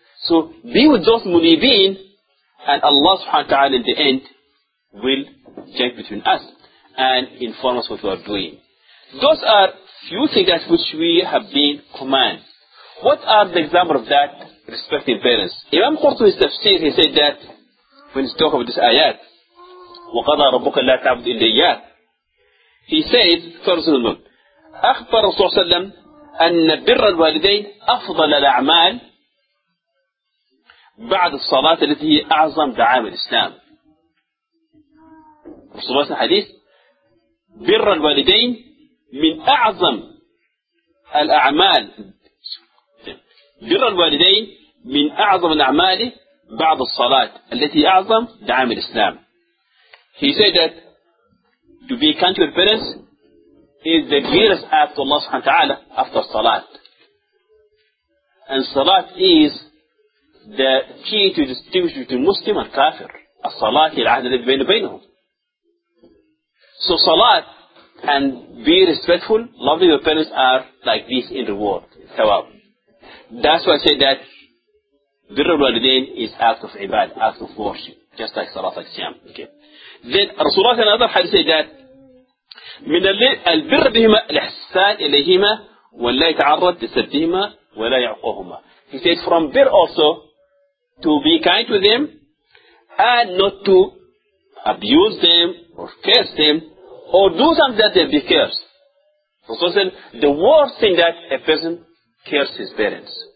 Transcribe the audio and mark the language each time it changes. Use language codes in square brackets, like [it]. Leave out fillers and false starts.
[en] So be with those munibin, and Allah subhanahu wa ta'ala in the end will judge between us and inform us what we are doing. Those are few things that which we have been commanded. What are the examples of that respective parents? Imam Qurtubi's tafsir, he said that when he's talking about this ayat, وَقَضَى رَبُّكَ لَا تَعْبُدْ إِلَّا إِيَّاهُ, he said, first of all, [ar] أخبر رسول الله صلى الله عليه وسلم أن بر الوالدين أفضل الأعمال بعد الصلاة التي هي أعظم دعائم الإسلام. رسول الله حديث بر الوالدين من أعظم الأعمال, بر الوالدين من أعظم الأعمال بعد الصلاة التي أعظم دعائم الإسلام. [en] He said that to be kind to your parents is the greatest act of Allah subhanahu wa ta'ala after Salat. And Salat is the key to distinguish between Muslim and Kafir. As-Salat al-Ahd al-Ladhi bayna baynahum. So Salat and be respectful, loving your parents are like this in reward. Thawab. That's why I say that Birr al-Walidain is act of Ibad, act of worship, just like Salat al-Siyam. Okay. Then Rasulullah and other hadith say that [ar] من البر بهما الإحسان إليهما ولا يتعرض لسبهما ولا يعقوهما. [en] He said from bir also to be kind to them and not to abuse them or curse them or do something that they be cursed. So said the worst thing that a person curses his parents.